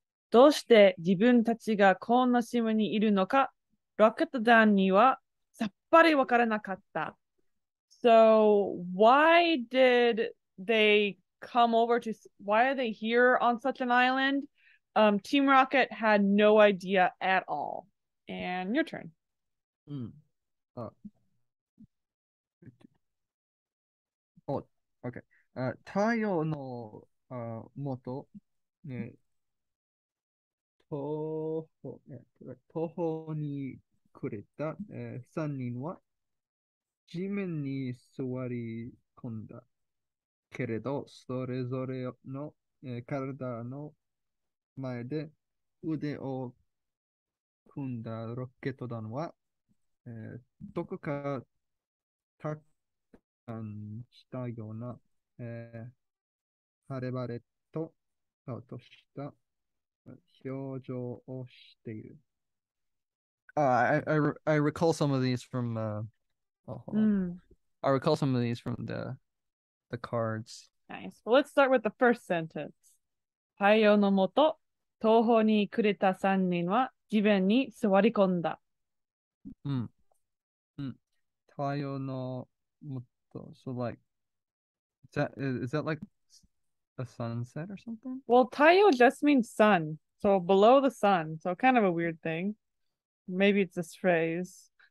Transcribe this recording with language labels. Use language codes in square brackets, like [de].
[ja] どうして自分たちがこんな島にいるのか、ロケット団にはさっぱりわからなかった。 [en] So, why did they come over to, why are they here on such an island? Team Rocket had no idea at all. And your turn. OK。 [ja] 太陽の、元、ね、途方に暮れた、3人は地面に座り込んだ。けれど、それぞれの、体の前で腕を組んだロケット団は、どこか高したような、晴れ晴れと、とした表情をしている。 [en] I recall some of these from hold on. I recall some of these from the cards. Nice. Well, let's start with the first sentence. [ja] 太陽のもと、東方に暮れた三人は地面に座り込んだ。太陽のもと、 [en] so like, is that like a sunset or something? Well, 太陽 just means sun, so below the sun, so kind of a weird thing. Maybe it's this phrase.